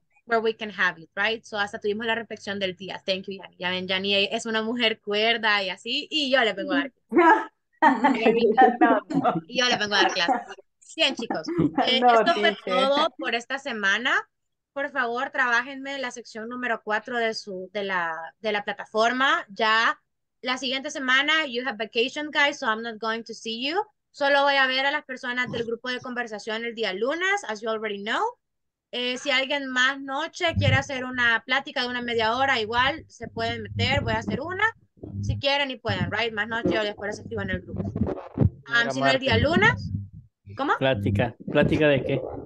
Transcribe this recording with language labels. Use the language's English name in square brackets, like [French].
[English] Where we can have it, right? So [Spanish] hasta tuvimos la reflexión del día. [English] Thank you, [Spanish] Yanni. Ya ven, Yanni es una mujer cuerda y así, y yo le vengo a dar clases. Yo le vengo a dar clases. Bien, chicos. Esto fue todo por esta semana. Por favor, trabájenme la sección número 4 de la plataforma. Ya la siguiente semana, [English] you have vacation, guys, so I'm not going to see you. [Spanish] Solo voy a ver a las personas del grupo de conversación el día lunes, [English] as you already know. [Spanish] Si alguien más noche quiere hacer una plática de una media hora, igual se pueden meter, voy a hacer una. Si quieren y pueden, right? Más noche o después se escriban en el grupo. Si no el día lunes, ¿cómo? ¿Plática de qué?